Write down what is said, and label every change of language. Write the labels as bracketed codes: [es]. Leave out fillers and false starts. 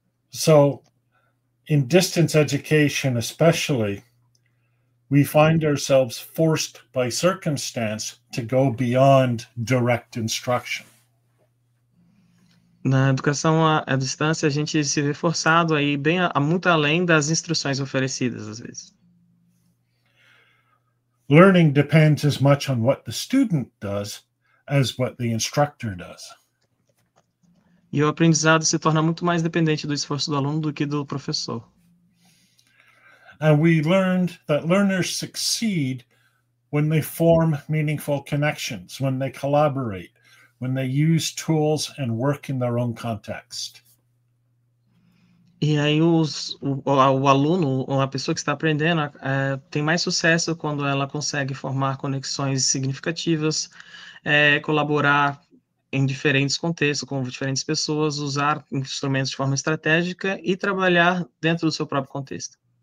[en] So, in distance education especially, we find ourselves forced by circumstance to go beyond direct instruction. [pt] Na educação à distância, a gente se vê forçado a ir bem muito além das instruções oferecidas, às vezes. [en] Learning depends as much on what the student does as what the instructor does. [pt] E o aprendizado se torna muito mais dependente do esforço do aluno do que do professor. [en] And we learned that learners succeed when they form meaningful connections, when they collaborate, when they use tools and work in their own context. [pt] E aí o aluno, ou a pessoa que está aprendendo, tem mais sucesso quando ela consegue formar conexões significativas, colaborar em diferentes contextos, com diferentes pessoas, usar instrumentos de forma estratégica e trabalhar dentro do seu próprio contexto.